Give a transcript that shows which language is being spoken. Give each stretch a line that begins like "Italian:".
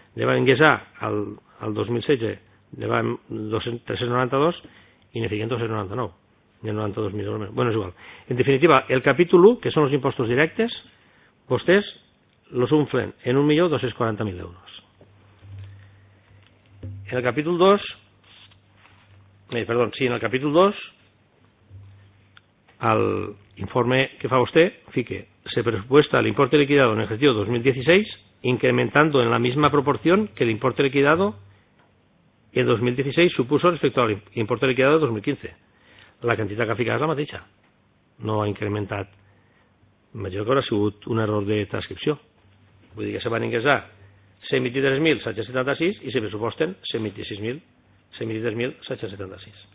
Catalan: Deva ingressar al 2016, deva 392 i ne fiquen 299. Hi ha 92.000 euros. Bueno, és igual. En definitiva, el capítol 1, que són els impostos directes, vostès los unflen en 1.240.000 euros. En el capítol 2, en el capítol 2, al informe que fa vostè, fique,
Spanish: se presupuesta el importe liquidado en el ejercicio 2016, incrementando en la misma proporción que el importe liquidado en 2016 supuso respecto al importe liquidado de 2015.
Catalan: La cantidad que ha ficat és la mateixa. No ha incrementat. Imagino que haurà sigut un error de transcripció. Vull dir que se van ingressar 123.776 i se pressuposten 123.776.